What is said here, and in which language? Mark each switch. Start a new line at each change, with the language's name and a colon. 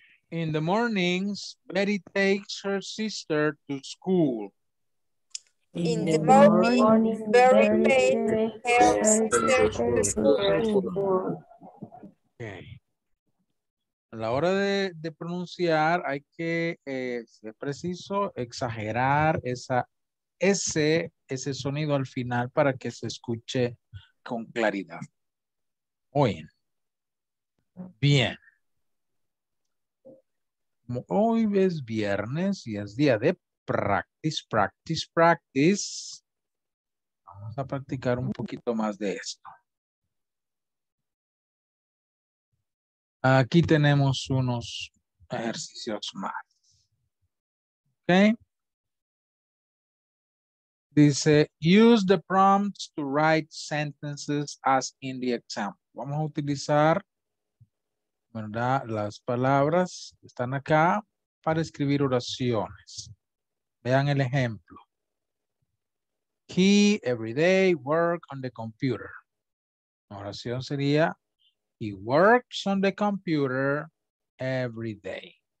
English: In the mornings, Betty takes her sister to school. In the morning, Betty takes her sister to school.
Spanish: Okay. A la hora de pronunciar, hay que, si es preciso, exagerar esa ese sonido al final para que se escuche con claridad. Oyen. Bien. Hoy es viernes y es día de practice. Vamos a practicar un poquito más de esto. Aquí tenemos unos ejercicios más. Ok.
English: Dice, use the prompts to write sentences as in the exam.
Spanish: Vamos a utilizar, ¿verdad? Las palabras que están acá para escribir oraciones. Vean el ejemplo.
English: He every day works on the computer.
Spanish: La oración sería,
English: he works on the computer every day.